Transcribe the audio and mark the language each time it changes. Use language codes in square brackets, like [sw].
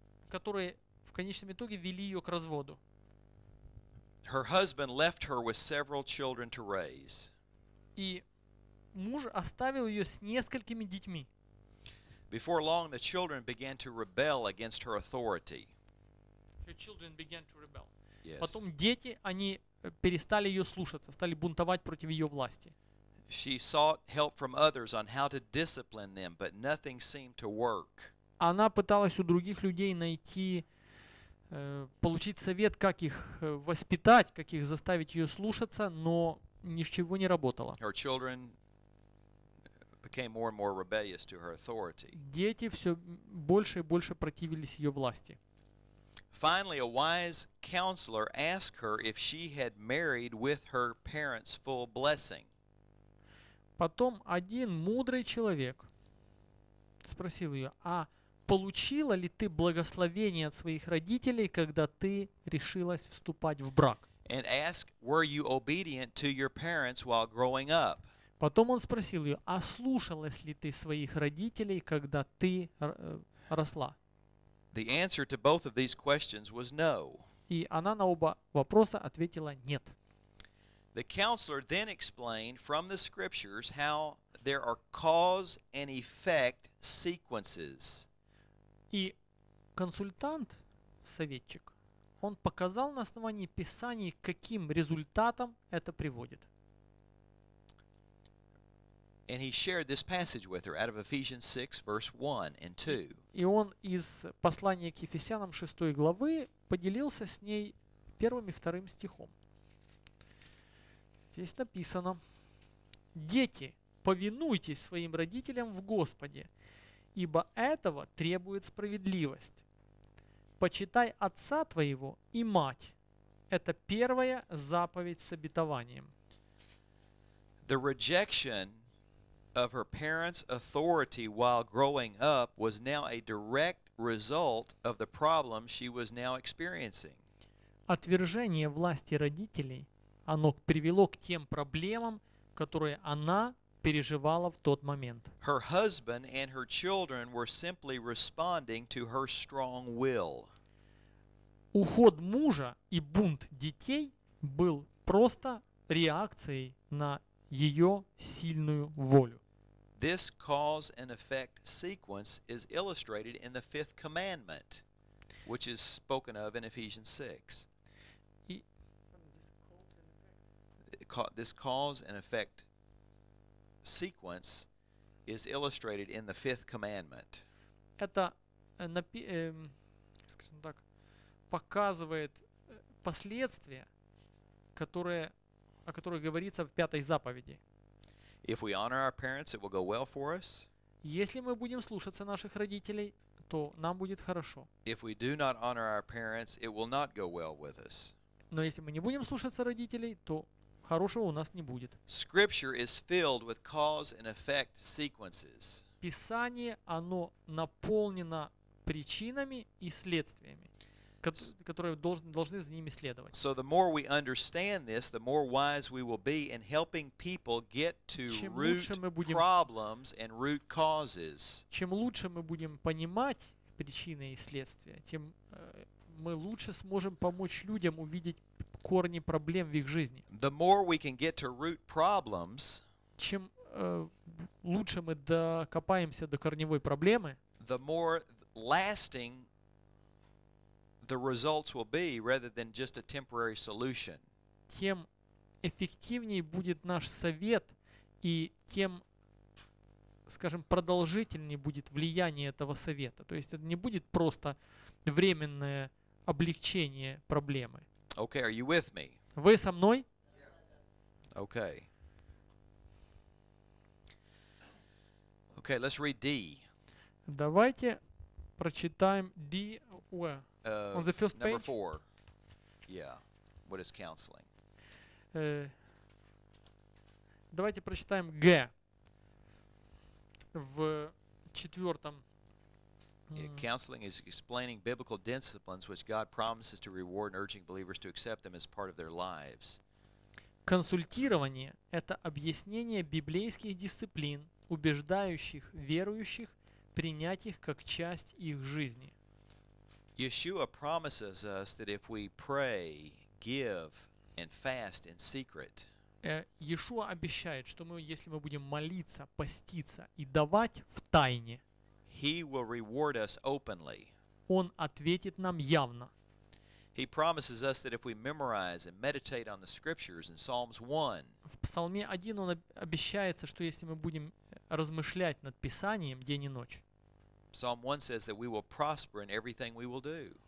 [ru] Которые в конечном итоге вели ее к разводу. [en] Her husband left her with several children to raise. [ru] И муж оставил ее с несколькими детьми. [en] Before long, the children began to rebel against her authority. Her children began to rebel. Yes. [ru] Потом дети, они перестали ее слушаться, стали бунтовать против ее власти. [en] She sought help from others on how to discipline them, but nothing seemed to work. [ru] Она пыталась у других людей найти, получить совет, как их воспитать, как их заставить ее слушаться, но ничего не работало. [en] Her children became more and more rebellious to her authority. [ru] Дети все больше и больше противились ее власти. [en] Finally, a wise counselor asked her if she had married with her parents' full blessing. [ru] Потом один мудрый человек спросил ее: а получила ли ты благословение от своих родителей, когда ты решилась вступать в брак? [en] And asked, were you obedient to your parents while growing up? [ru] Потом он спросил ее: а слушалась ли ты своих родителей, когда ты росла? [en] The answer to both of these questions was no. [ru] И она на оба вопроса ответила нет. [en] The counselor then explained from the scriptures how there are cause and effect sequences. [ru] И консультант, советчик, Он показал на основании Писаний, каким результатом это приводит. [en] And he shared this passage with her out of Ephesians 6, verse 1 and 2. [ru] И он из послания к Ефесянам 6 главы поделился с ней первым и вторым стихом. Здесь написано: «Дети, повинуйтесь своим родителям в Господе, ибо этого требует справедливость. Почитай отца твоего и мать. Это первая заповедь с обетованием». [en] The rejection of her parents' authority while growing up was now a direct result of the problem she was now experiencing. [ru] Отвержение власти родителей, оно привело к тем проблемам, которые она переживала в тот момент. [en] Her husband and her children were simply responding to her strong will. [ru] Уход мужа и бунт детей был просто реакцией на ее сильную волю. [en] This cause and effect sequence is illustrated in the fifth commandment, which is spoken of in Ephesians 6. This cause and effect sequence is illustrated in the fifth commandment. [ru] Это, скажем так, показывает последствия, которые, о которых говорится в пятой заповеди. [en] If we honor our parents, it will go well for us. [ru] Если мы будем слушаться наших родителей, то нам будет хорошо. [en] If we do not honor our parents, it will not go well with us. [ru] Но если мы не будем слушаться родителей, то хорошего у нас не будет. [en] Scripture is filled with cause and effect sequences. [ru] Писание, оно наполнено причинами и следствиями, которые должны за ними следовать. [en] So the more we understand this, the more wise we will be in helping people get to root problems and root causes. [ru] Чем лучше мы будем понимать причины и следствия, тем мы лучше сможем помочь людям увидеть корни проблем в их жизни. [en] The more we can get to root problems, [ru] чем лучше мы докопаемся до корневой проблемы, [en] the more lasting the results will be rather than just a temporary solution. [ru] Тем эффективнее будет наш совет и тем, скажем, продолжительнее будет влияние этого совета. То есть это не будет просто временное облегчение проблемы. [en] Okay, are you with me? [ru] Вы со мной? [en] Okay. Okay, let's read D. [ru] Давайте прочитаем D. [en] Where? On the first number page? Four. Yeah. What is counseling? [ru] Давайте прочитаем Г в четвертом. [en] Counseling is explaining biblical disciplines which God promises to reward and urging believers to accept them as part of their lives. [ru] Консультирование – это объяснение библейских дисциплин, убеждающих верующих принять их как часть их жизни. [en] Yeshua promises us that if we pray, give, and fast in secret, [ru] Yeshua обещает, что мы, если мы будем молиться, поститься и давать в тайне, [en] He will reward us openly. [ru] Он ответит нам явно. [en] He promises us that if we memorize and meditate on the scriptures in Psalms 1, [ru] в Псалме 1 он обещается, что если мы будем размышлять над Писанием день и ночь, [en] Psalm 1 says that we will prosper in everything we will do.